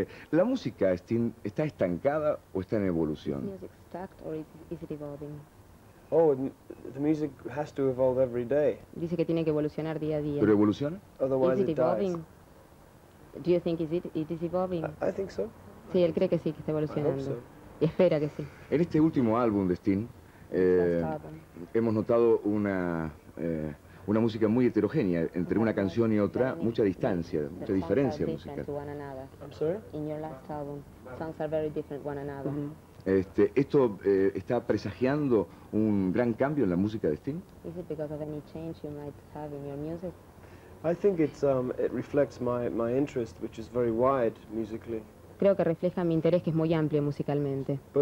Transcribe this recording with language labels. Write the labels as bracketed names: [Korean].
[Spanish] ¿La música está estancada o está en evolución? [English] Is music stuck or is it evolving? Oh, the music has to evolve every day. [Spanish] Dice que tiene que evolucionar día a día. ¿Pero evoluciona? [English] Otherwise it evolving? Dies. Do you think is it evolving? I think so. [Spanish] Sí, él cree que sí, que está evolucionando. [English] I hope so. [Spanish] Y espera que sí. En este último álbum de Sting, hemos notado una música muy heterogénea entre una canción y otra, mucha distancia, mucha diferencia musical. [English] To one another. I'm sorry? In your last album, songs are very different one another. Mm-hmm. [Spanish] ¿Esto está presagiando un gran cambio en la música de Sting? [English] Is it because of any change you might have in your music? I think it reflects my interest, which is very wide musically. [Spanish] Creo que refleja mi interés, que es muy amplio musicalmente.